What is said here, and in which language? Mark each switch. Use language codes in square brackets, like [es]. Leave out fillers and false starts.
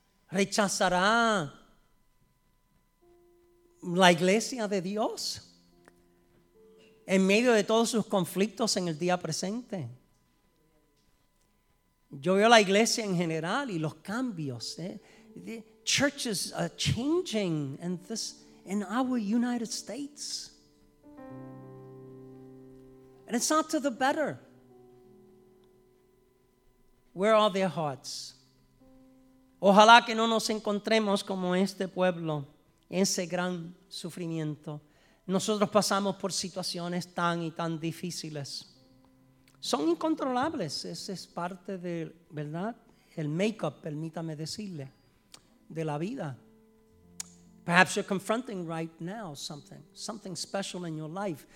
[es] ¿Rechazará la iglesia de Dios en medio de todos sus conflictos en el día presente? Yo veo la iglesia en general y los cambios. [en] The churches are changing in our United States. And it's not to the better. Where are their hearts? [es] Ojalá que no nos encontremos como este pueblo en ese gran sufrimiento. Nosotros pasamos por situaciones tan y tan difíciles. Son incontrolables. Ese es parte de, ¿verdad? El makeup, permítame decirle, de la vida. [en] Perhaps you're confronting right now something special in your life.